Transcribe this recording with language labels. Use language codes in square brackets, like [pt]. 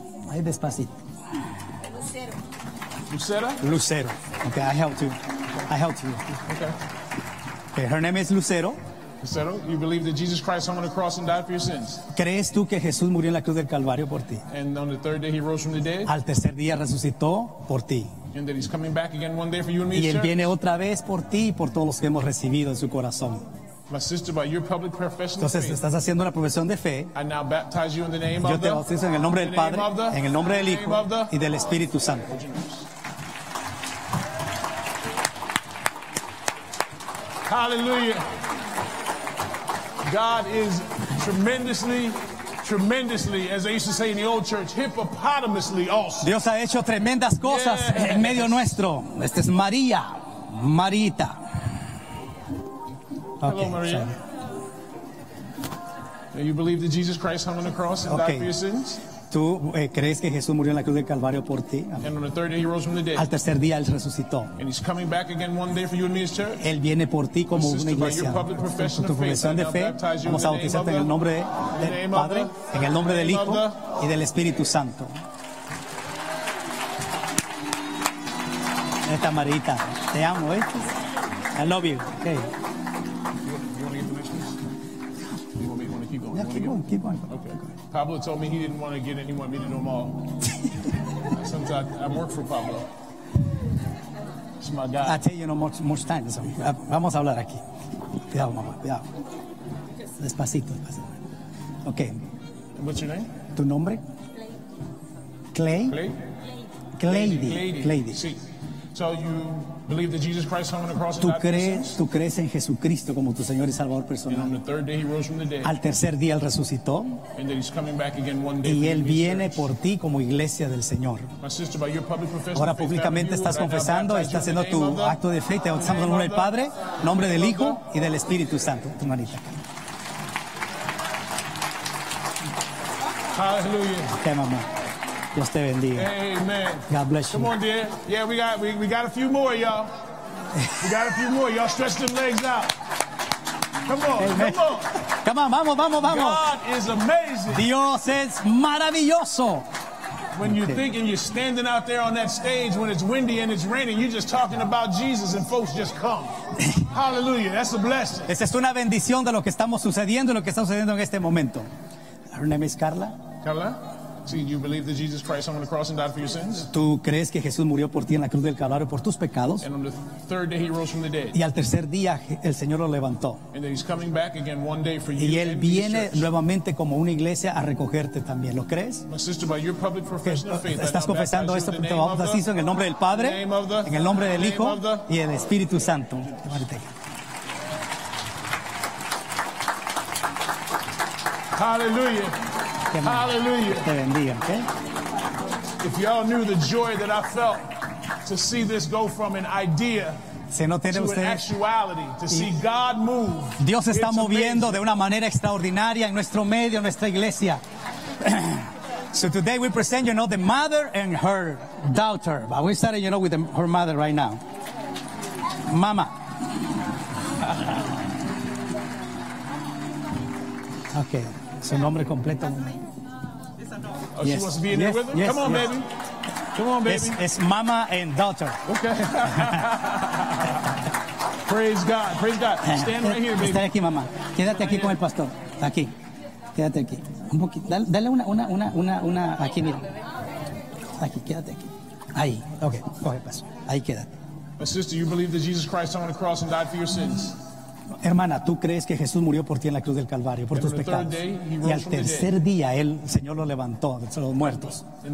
[es] Ahí despacito. Lucero. [en] Lucero. Lucero. Okay, I helped you. I helped you. Okay. Okay, her name is Lucero. Lucero, you believe that Jesus Christ hung on the cross and died for your sins? [es] ¿Crees tú que Jesús murió en la cruz del Calvario por ti? [en] And on the third day he rose from the dead? [es] Al tercer día resucitó por ti. [en] And that he's coming back again one day for you and me. [es] Y él viene otra vez por ti y por todos los que hemos recibido en su corazón. [en] My sister, by your public profession. [es] Entonces estás haciendo una profesión de fe. [en] I now baptize you in the name of the. [es] Yo te bautizo en el nombre del Padre, en el nombre del Hijo y del Espíritu Santo. [en] Hallelujah. God is tremendously tremendously, as they used to say in the old church, hippopotamously awesome. [es] Dios ha hecho tremendas cosas en medio nuestro. Esta es María, Marita. [en] Okay, hello, Maria. Sorry. You believe that Jesus Christ hung on the cross and died for your sins? [es] ¿Tú crees que Jesús murió en la cruz del Calvario por ti? Al tercer día Él resucitó. Él viene por ti como una iglesia. Con tu profesión de fe, vamos a bautizarte en el nombre del Padre, en el nombre del Hijo y del Espíritu Santo. Esta Marita, te amo, ¿eh? [en] I love you. Okay. Okay. Pablo told me he didn't want to get anyone meeting them all. Sometimes I work for Pablo. It's my guy. I tell you no much time. So. [es] Vamos a hablar aquí. Cuidado, mamá. Cuidado. Despacito, despacito. Okay. [en] What's your name? [es] Tu nombre? Clay. Clay? Clady. Clady. Sí. [en] So you believe that Jesus Christ hung on the cross? [es] Tú crees en Jesucristo como tu Señor y Salvador personal. [en] And on the third day he rose from the dead. [es] Al tercer día él resucitó. [en] And that he's coming back again one day. [es] Y él viene por ti como iglesia del Señor. [en] My sister, by your public profession. [es] Ahora públicamente estás confesando, estás haciendo tu acto de fe, te bautizamos en el nombre del Padre, nombre del Hijo y del Espíritu Santo. Tu manita. [en] Hallelujah. [es] Okay, mamá. Dios te bendiga. [en] Amen. God bless you. Come on, dear. Yeah, we got a few more, y'all. We got a few more. Y'all stretch them legs out. Come on. Amen. Come on. Come on. Vamos. God is amazing. [es] Dios es maravilloso. [en] When you think and you're standing out there on that stage when it's windy and it's raining, you're just talking about Jesus and folks just come. Hallelujah. That's a blessing. [es] Esa es una bendición de lo que estamos sucediendo y lo que está sucediendo en este momento. [en] Her name is Carla. Carla. So you believe that Jesus Christ hung on the cross and died for your sins? [es] ¿Tú crees que Jesús murió por ti en la cruz del Calvario por tus pecados? [en] And on the third day he rose from the dead. [es] Y al tercer día el Señor lo levantó. [en] And that he's coming back again one day for you. [es] Y él viene nuevamente como una iglesia a recogerte también. ¿Lo crees? [en] My sister, by your public profession of faith. [es] ¿Estás confesando esto porque te bautizo en el nombre del Padre, en el nombre del Hijo y el Espíritu Santo? Hallelujah. Hallelujah. Te bendiga, okay? [en] If y'all knew the joy that I felt to see this go from an idea to see God move. [es] Dios está moviendo de una manera extraordinaria en nuestro medio, en nuestra iglesia. [en] So today we present, you know, the mother and her daughter. But we started, you know, with her mother right now. Mama. [es] Okay. Su nombre completo. [en] Oh, yes. She wants to be in there with her? Yes. Come on, yes. Baby. Come on, baby. It's mama and daughter. Okay. Praise God. Praise God. Stand right here, baby. [es] Estar aquí, mamá. Quédate aquí con el pastor. Aquí. Quédate aquí. Un poquito. Dale una. Aquí, mira. Aquí, quédate aquí. Ahí. Okay. Coge el paso. Ahí, quédate. [en] My sister, you believe that Jesus Christ hung on the cross and died for your sins? [es] Hermana, ¿tú crees que Jesús murió por ti en la cruz del Calvario, por tus pecados? Y al tercer día, el Señor lo levantó de los muertos.